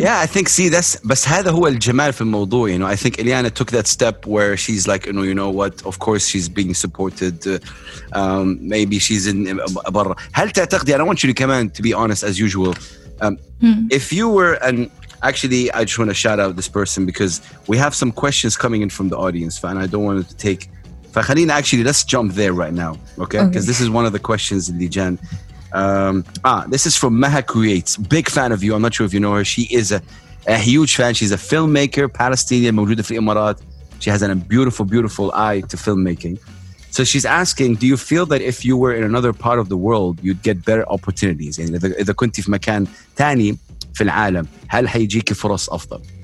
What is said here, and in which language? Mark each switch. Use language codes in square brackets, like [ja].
[en] Yeah, I think, see, that's, [ar] بس هذا هو الجمال في الموضوع. [en] You know, I think Eliana took that step where she's like, you know what, of course she's being supported. Maybe she's in برا. [ar] هل تعتقد, [en] I want you to come in, to be honest, as usual. If you were an, actually, I just want to shout out this person because we have some questions coming in from the audience, and I don't want to take. [ar] فخلينا [en] actually let's jump there right now, okay? Because this is one of the questions [ar] اللي جان. [en] This is from Maha Creates, big fan of you. I'm not sure if you know her. She is a huge fan. She's a filmmaker, Palestinian, [ar] موجودة في الإمارات. [en] She has a beautiful, beautiful eye to filmmaking. So she's asking, do you feel that if you were in another part of the world, you'd get better opportunities? [ar] يعني إذا كنت في مكان تاني في العالم, هل هيجيك فرص أفضل؟